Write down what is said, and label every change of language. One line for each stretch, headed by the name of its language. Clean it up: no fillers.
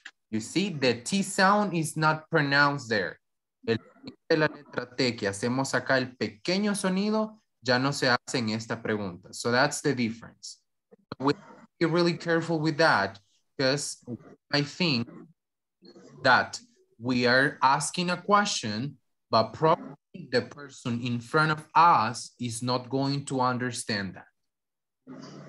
English: You see, the T sound is not pronounced there.
Spanish: El de la letra T que hacemos acá, el pequeño sonido, ya no se hace en esta pregunta.
English: So that's the difference. So we be really careful with that, because I think that we are asking a question, but probably the person in front of us is not going to understand that.